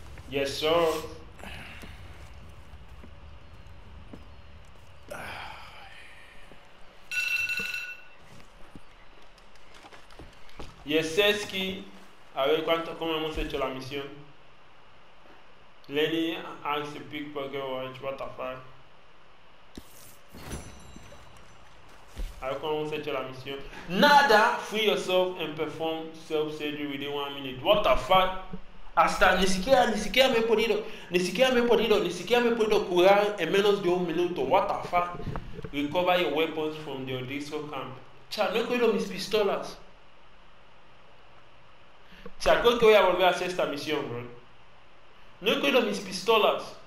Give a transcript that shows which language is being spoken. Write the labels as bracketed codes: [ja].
[en] Yes, sir. [es] Y es Seski. A ver cuánto, cómo hemos hecho la misión. [en] Lenny has a pickpocket watch, what the fuck. [es] A ver cómo hemos hecho la misión. Nada, [en] free yourself and perform self-surgery within 1 minute. What the fuck. [es] Hasta ni siquiera me he podido curar en menos de 1 minuto. [en] What the fuck. Recover your weapons from the Odisco camp. [es] Cha, no he cogido mis pistolas. Cha, creo que voy a volver a hacer esta misión, bro. No he cogido mis pistolas.